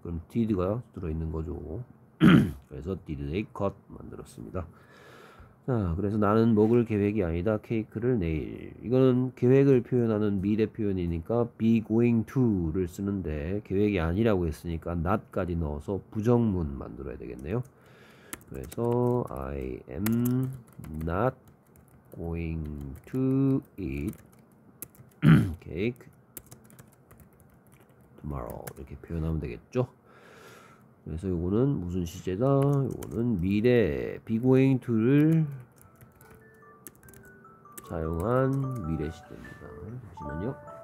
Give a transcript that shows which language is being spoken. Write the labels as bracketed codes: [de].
[ko] 그럼 did가 들어있는 거죠. 그래서 [en] did they cut [ko] 만들었습니다. 자, 그래서 나는 먹을 계획이 아니다. 케이크를 내일. 이거는 계획을 표현하는 미래 표현이니까 be going to를 쓰는데 계획이 아니라고 했으니까 not까지 넣어서 부정문 만들어야 되겠네요. [en] 그래서 I am not going to eat cake tomorrow. [ko] 이렇게 표현하면 되겠죠? 그래서 이거는 무슨 시제다? 이거는 미래 be going to를 사용한 미래 시제입니다. 잠시만요.